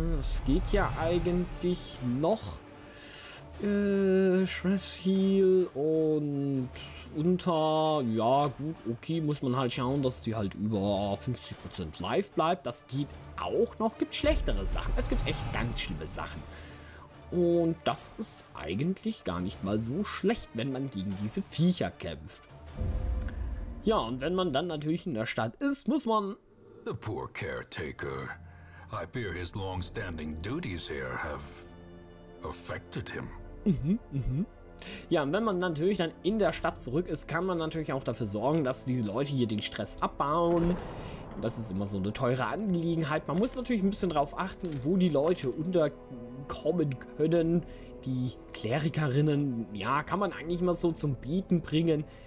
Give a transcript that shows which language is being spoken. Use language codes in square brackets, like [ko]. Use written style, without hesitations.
[de] Das geht ja eigentlich noch. Stress Heal und unter, ja gut, okay, muss man halt schauen, dass die halt über 50% live bleibt. Das geht auch noch, gibt schlechtere Sachen. Es gibt echt ganz schlimme Sachen. Und das ist eigentlich gar nicht mal so schlecht, wenn man gegen diese Viecher kämpft. Ja, und wenn man dann natürlich in der Stadt ist, muss man... [en] The poor caretaker. I fear his long-standing duties here have affected him. [de] Ja, und wenn man natürlich dann in der Stadt zurück ist, kann man natürlich auch dafür sorgen, dass diese Leute hier den Stress abbauen. Das ist immer so eine teure Angelegenheit. Man muss natürlich ein bisschen darauf achten, wo die Leute unterkommen können. Die Klerikerinnen, ja, kann man eigentlich immer so zum Beten bringen.